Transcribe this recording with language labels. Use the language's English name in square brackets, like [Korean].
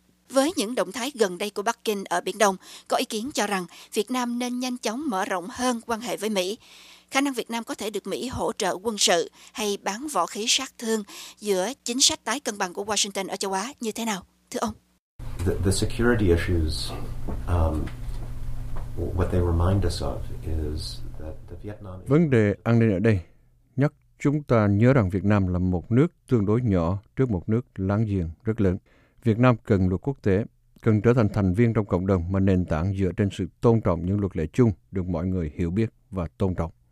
[Vietnamese] Với những động thái gần đây của Bắc Kinh ở Biển Đông, có ý kiến cho rằng Việt Nam nên nhanh chóng mở rộng hơn quan hệ với Mỹ. Khả năng Việt Nam có thể được Mỹ hỗ trợ quân sự hay bán vũ khí sát thương giữa chính sách tái cân bằng của Washington ở châu Á như thế nào, thưa ông? [English] The security issues, what they remind us of is that the Vietnam... [Vietnamese] Vấn đề an ninh ở đây nhắc chúng ta nhớ rằng Việt Nam là một nước tương đối nhỏ trước một nước láng giềng rất lớn. Việt Nam cần luật quốc tế, cần trở thành thành viên trong cộng đồng mà nền tảng dựa trên sự tôn trọng những luật lệ chung được mọi người hiểu biết và tôn trọng.